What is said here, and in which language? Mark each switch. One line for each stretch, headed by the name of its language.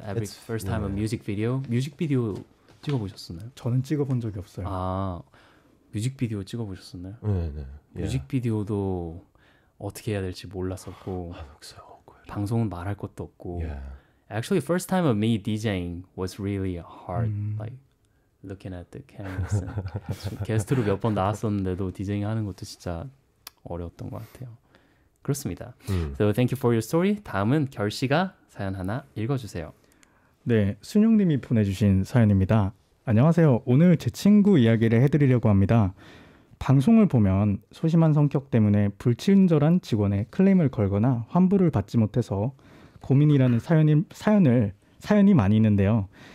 English: Every It's, first time of music video
Korean: 찍어보셨었나요? 저는 찍어본 적이 없어요. 아, 뮤직비디오 찍어보셨었나요? 네. 뮤직비디오도 어떻게 해야 될지 몰랐었고
English: I look so awkward.
Korean: 방송은 말할 것도 없고
English: yeah. Actually, first time of me DJing was really hard like looking at the cameras.
Korean: 게스트로 몇 번 나왔었는데도 DJing 하는 것도 진짜 어려웠던 것 같아요. 그렇습니다.
English: So thank you for your story.
Korean: 다음은 결 씨가 사연 하나 읽어주세요. 네, 순용 님이 보내주신 사연입니다. 안녕하세요. 오늘 제 친구 이야기를 해드리려고 합니다. 방송을 보면 소심한 성격 때문에 불친절한 직원의 클레임을 걸거나 환불을 받지 못해서 고민이라는 사연이 많이 있는데요.